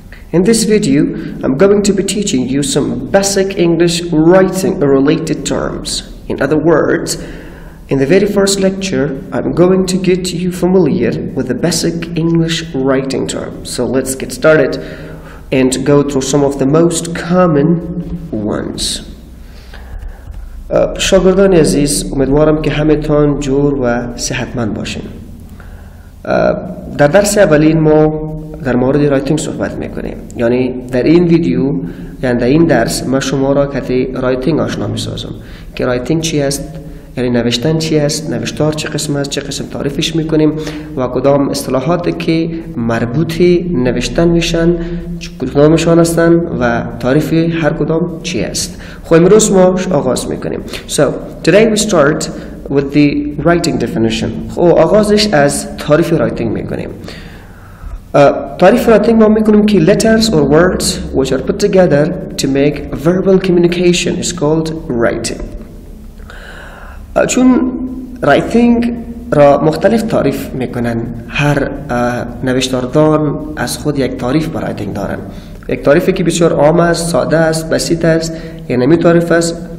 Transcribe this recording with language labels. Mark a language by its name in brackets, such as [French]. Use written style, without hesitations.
[English] In this video, I'm going to be teaching you some basic English writing related terms. In other words, in the very first lecture, I'm going to get you familiar with the basic English writing terms. So let's get started and go through some of the most common ones. [Persian] شاگردان عزیز، امیدوارم که همتون جور و صحتمند باشین. در درس اولین ما در مورد رایتینگ صحبت میکنیم، یعنی در این ویدیو، یعنی در این درس ما شما را کتی رایتینگ آشنا میسازم که رایتینگ چی است، یعنی نوشتن چی است، نوشتار چه قسم است، چه قسم تعریفش میکنیم و کدام اصطلاحاتی که مربوط نوشتن میشن کدامشان هستن و تعریف هر کدام چی است. خب امروز ما آغاز میکنیم. [English] So today we start with the writing definition. [Persian] خب آغازش از تعریف رایتینگ میکنیم. تعریف رایتینگ ما میکنیم که [English] letters or words which are put together to make verbal communication is called writing. [Persian] چون رایتینگ را مختلف تعریف میکنن، هر نوشتاردان از خود یک تعریف برای رایتینگ دارن، یک تعریفی که بسیار عام است، ساده است، بسیط است، یعنی می تعریف است.